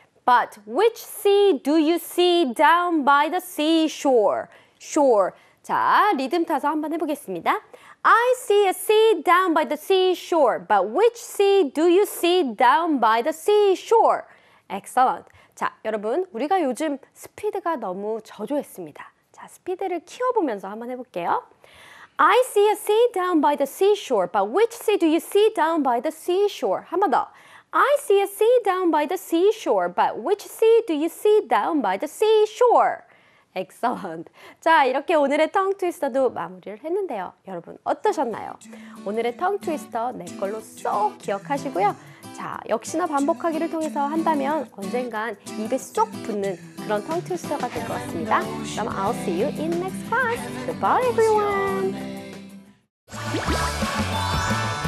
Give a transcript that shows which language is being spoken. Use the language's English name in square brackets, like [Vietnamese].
[English] But which sea do you see down by the seashore? Shore. [Korean] 자, 리듬 타서 한번 해보겠습니다. [English] I see a sea down by the seashore, but which sea do you see down by the seashore? Excellent. [Korean] 자, 여러분, 우리가 요즘 스피드가 너무 저조했습니다. 자, 스피드를 키워보면서 한번 해볼게요. [English] I see a sea down by the seashore, but which sea do you see down by the seashore? [Korean] 한번 더. [English] I see a sea down by the seashore, but which sea do you see down by the seashore? Excellent. [Korean] 자, 이렇게 오늘의 텅 트위스터도 마무리를 했는데요. 여러분, 어떠셨나요? 오늘의 텅 트위스터 내 걸로 쏙 기억하시고요. 자, 역시나 반복하기를 통해서 한다면 언젠간 입에 쏙 붙는 그런 텅 트위스터가 될것 같습니다. 그럼 [English] I'll see you in next class. Goodbye, everyone.